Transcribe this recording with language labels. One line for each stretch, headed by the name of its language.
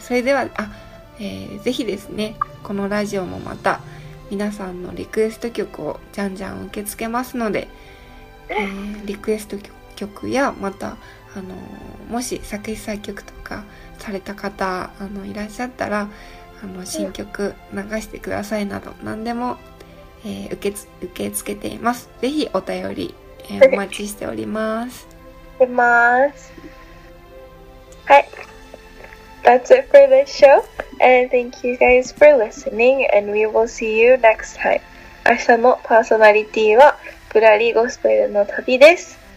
Japanese: それでは、ぜひですね、このラジオもまた皆さんのリクエスト曲をじゃんじゃん受け付けますので、リクエスト曲や、また、もし作詞作曲とかされた方、いらっしゃったら、新曲流してくださいなど、何でも、受け付けています。ぜひお便り、お待ちしております。出ます。はい、
English: That's it for this show and thank you guys for listening and we will see you next time。
Japanese: 明日のパーソナリティはぶらりゴスペルの旅です。